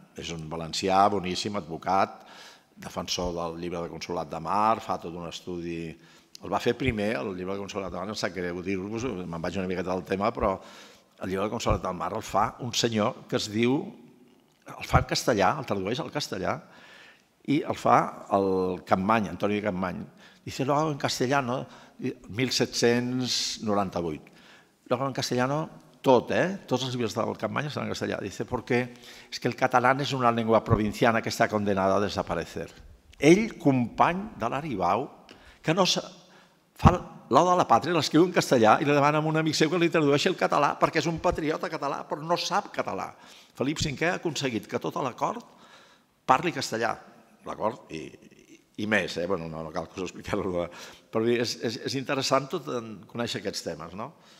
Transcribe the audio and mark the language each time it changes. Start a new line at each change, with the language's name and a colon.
Catalan: És un valencià boníssim, advocat, defensor del llibre de Consolat de Mar, fa tot un estudi. El va fer primer, el llibre de Consolat de Mar, em sap greu dir-vos, me'n vaig una miqueta del tema, però el llibre de Consolat de Mar el fa un senyor que es diu, el fa en castellà, el tradueix al castellà, i el fa el Campmany, Antoni Campmany.
Spanish: Dice, luego en castellano, 1798. Luego en castellano,
Catalan: tot, tots els llibres del Campmany estan en castellà.
Spanish: Dice, porque es que el catalán es una lengua provinciana que está condenada a desaparecer.
Catalan: Ell, company de l'Aribau, que no fa l'O de la Pàtria, l'escriu en castellà i li demana a un amic seu que li tradueixi el català perquè és un patriota català, però no sap català. Felip V ha aconseguit que tota la cort parli castellà. D'acord? I més, Bueno, no cal que us expliqueu-ho. Però és interessant tot conèixer aquests temes, no?